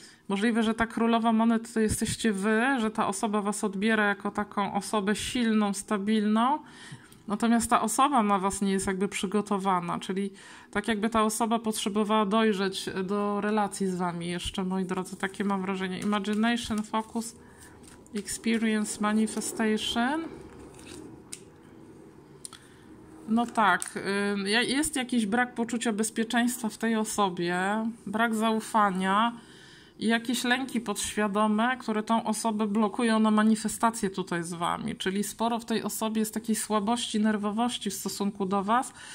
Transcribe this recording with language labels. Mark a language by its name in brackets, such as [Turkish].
[Polish] Możliwe, że ta królowa monet to jesteście wy, że ta osoba was odbiera jako taką osobę silną, stabilną, Natomiast ta osoba na was nie jest jakby przygotowana, czyli tak jakby ta osoba potrzebowała dojrzeć do relacji z wami jeszcze, moi drodzy, takie mam wrażenie. [English] Imagination, focus, experience, manifestation. [Polish] No tak, jest jakiś brak poczucia bezpieczeństwa w tej osobie, brak zaufania i jakieś lęki podświadome, które tą osobę blokują na manifestację tutaj z wami. Czyli sporo w tej osobie jest takiej słabości, nerwowości w stosunku do was.